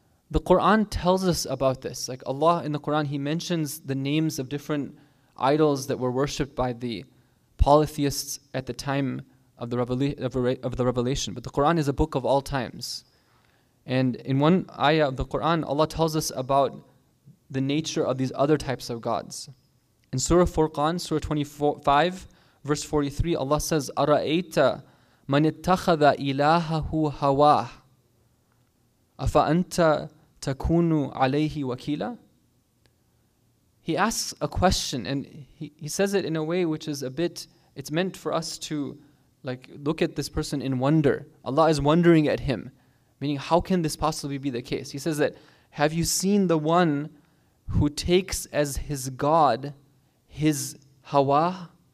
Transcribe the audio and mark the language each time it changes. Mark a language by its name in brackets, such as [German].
[English] The Quran tells us about this. Like Allah in the Quran, He mentions the names of different idols that were worshipped by the polytheists at the time of the revelation. But the Quran is a book of all times. And in one ayah of the Quran, Allah tells us about the nature of these other types of gods. In Surah Furqan, Surah 25, verse 43, Allah says, [Arabic] أَرَأَيْتَ مَنِ اتَّخَذَ إِلَاهَهُ هَوَاهُ أَفَأَنْتَ تَكُونُ عَلَيْهِ وَكِيلًا. [English] he asks a question, and he says it in a way which is a bit, it's meant for us to like look at this person in wonder. Allah is wondering at him, meaning how can this possibly be the case? He says that, have you seen the one who takes as his God his hawa?